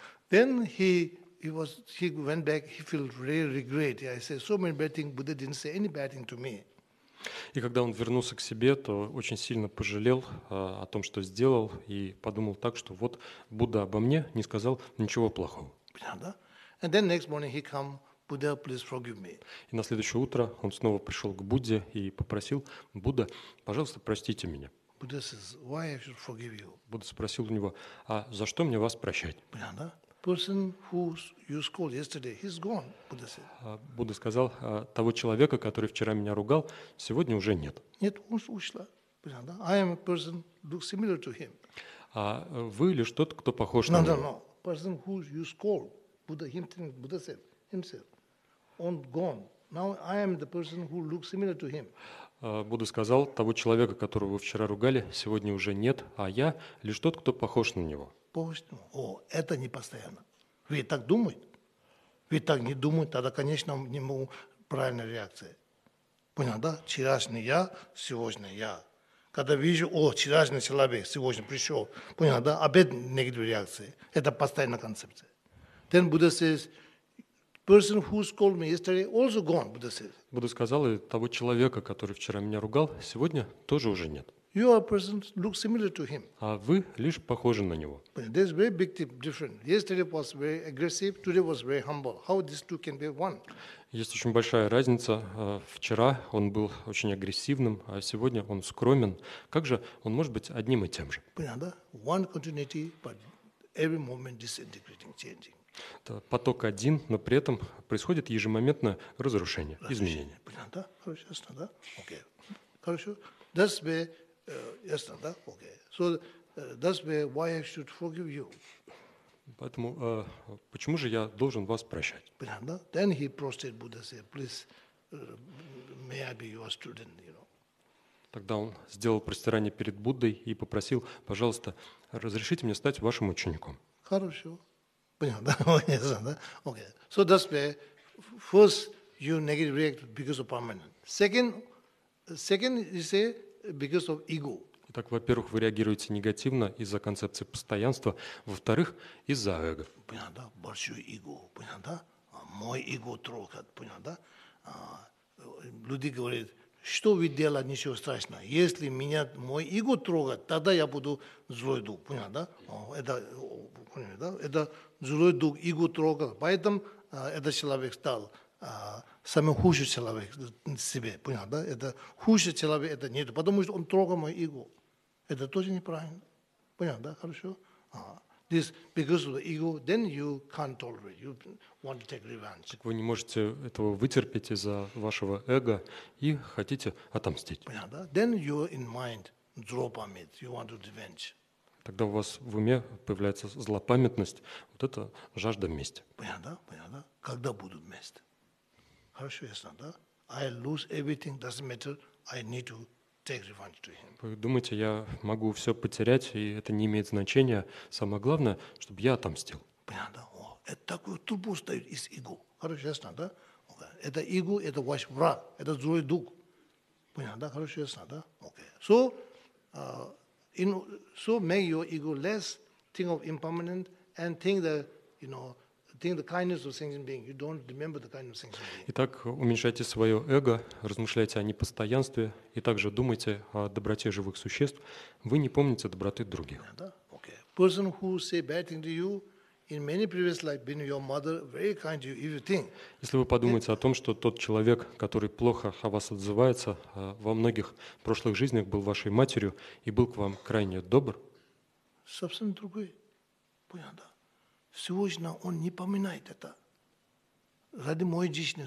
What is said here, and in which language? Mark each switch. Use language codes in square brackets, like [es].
[en] Then he went back, he felt really regret. I said, so many bad things, Buddha didn't say any bad thing to me. [ru] И когда он вернулся к себе, то очень сильно пожалел о том, что сделал, и подумал так, что вот Будда обо мне не сказал ничего плохого. Понятно, да? [en] And then next morning he come, Buddha, please forgive me. [ru] И на следующее утро он снова пришел к Будде и попросил, Будда, пожалуйста, простите меня. [en] Buddha says, why I should forgive you? [ru] Будда спросил у него, а за что мне вас прощать? Понятно, да? [en] Person who you scold yesterday, he's gone, Buddha said. [ru] Будда сказал, того человека, который вчера меня ругал, сегодня уже нет. Нет, он ушла. Понятно, да? [en] I am a person look similar to him. [ru] А вы или что-то, кто похож на него? [en] No. Person who you scold, Buddha, him, Buddha said, himself. [ru] он [en] gone. Now I am the person who looks similar to him. [ru] Будда сказал, того человека, которого вы вчера ругали, сегодня уже нет, а я лишь тот, кто похож на него. Поистину. О, это не постоянно. Вы так думаете? Вы так не думаете, тогда, конечно, не могу правильной реакции. Понял, да? Вчерашний я, сегодня я. Когда вижу, о, вчерашний человек сегодня пришел, понял, да? Опять негативная реакция. Это постоянная концепция. [en] Then Buddha says, person who scolded me yesterday also gone, Buddha says. [ru] Будда сказал, и того человека, который вчера меня ругал, сегодня тоже уже нет. [en] You are a person who looks similar to him. [ru] А вы лишь похожи на него. [en] There's very big difference. Yesterday was very aggressive, today was very humble. How these two can be one? [ru] Есть очень большая разница. Вчера он был очень агрессивным, а сегодня он скромен. Как же он может быть одним и тем же? Понятно? [en] One continuity, but every moment disintegrating, changing. [ru] Это поток один, но при этом происходит ежемоментное разрушение, изменение. Понятно, да? Хорошо, ясно, да? Окей. Хорошо. [en] That's where, [ru] ясно, да? Окей. [en] So, that's where why I should forgive you. [ru] Поэтому, почему же я должен вас прощать? Понятно, да? [en] Then he prostrated Buddha, said, please, may I be your student, you know. [ru] Тогда он сделал простирание перед Буддой и попросил, пожалуйста, разрешите мне стать вашим учеником. Хорошо. Понятно, да? Okay. [en] So that's where first you negative react because of permanent. Second, you say because of ego. [ru] Итак, во-первых, вы реагируете негативно из-за концепции постоянства. Во-вторых, из-за эго. Понятно, да? Большое эго. Понятно, да? Мой эго трогает. Понятно, да? Люди говорят, что вы делаете, ничего страшного. Если меня мой эго трогает, тогда я буду злой дух. Понятно, да? Это злой дух, эго трогал. Поэтому этот человек стал самым худшим человеком в себе. Понял, да? Это худший человек, это нет. Потому что он трогал мое эго. Это тоже неправильно. Понял, да? Хорошо? [en] This because of the ego, then you can't tolerate. You want to take revenge. [ru] Так вы не можете этого вытерпеть из-за вашего эго и хотите отомстить. Понял, да? [en] Then you're in mind, [ru] злопамят. [en] You want to revenge. [ru] Тогда у вас в уме появляется злопамятность, вот это жажда мести. Понятно, да? Когда буду месть? Хорошо, ясно, да? I lose everything, doesn't matter, I need to take revenge to him. Вы думаете, я могу все потерять, и это не имеет значения. Самое главное, чтобы я отомстил. Понятно, да? О, это такой трубу стоит из эго. Хорошо, ясно, да? Okay. Это эго, это ваш враг, это злой дух. Понятно, да? Хорошо, ясно, да? Okay. [en] So, so make your ego less, think of impermanent, and think that, you know, think the kindness of sentient being. You don't remember the kindness of sentient being. [ru] Итак, уменьшайте свое эго, размышляйте о непостоянстве, и также думайте о доброте живых существ. Вы не помните доброты других. [en] Okay. Person who say bad thing to you in many previous life been your mother, very kind to you, if you think. [ru] Если вы подумаете о том, что тот человек, который плохо о вас отзывается, во многих прошлых жизнях был вашей матерью и был к вам крайне добр. Совсем другой. Понятно, да? Сегодня он не поминает это. Ради моей жизни.